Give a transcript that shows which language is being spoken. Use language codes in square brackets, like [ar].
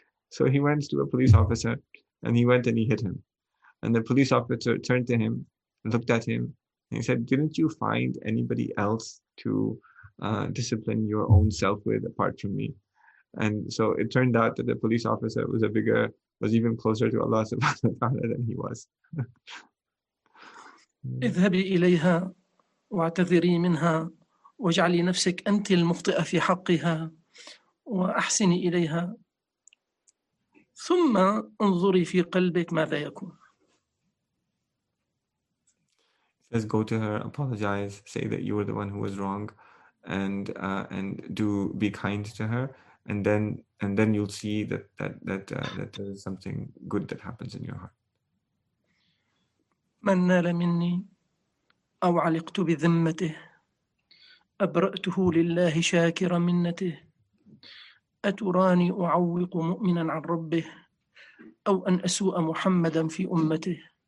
[en] So he went to a police officer and he went and he hit him. And the police officer turned to him, looked at him, and he said, didn't you find anybody else to discipline your own self with apart from me? And so it turned out that the police officer was a bigger, was even closer to Allah subhanahu wa ta'ala than he was. [ar] اذهبي إليها واعتذري منها واجعلي نفسك أنت المخطئة في حقها وأحسني إليها ثم انظري في قلبك ماذا يكون. [en] It says, go to her, apologize, say that you were the one who was wrong, and do be kind to her, and then you'll see that there is something good that happens in your heart. [ar] من نال مني أو علقت بذمته أبرأته لله شاكر منته أتراني أعوق مؤمنا عن ربه أو أن أسوء محمدا في أمته.